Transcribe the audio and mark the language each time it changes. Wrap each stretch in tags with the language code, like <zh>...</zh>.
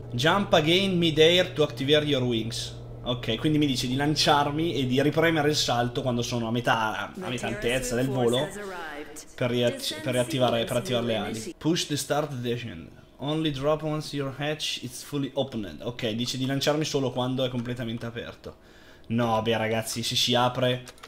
<en>Jump again mid-air to activate your wings.</en> <it>Ok, quindi mi dice di lanciarmi e di ripremere il salto quando sono a metà altezza del volo per attivare le ali.</it> <en>Push the start descent. Only drop once your hatch is fully opened.</en> <it>Ok, dice di lanciarmi solo quando è completamente aperto. No, beh ragazzi, se si apre.</it>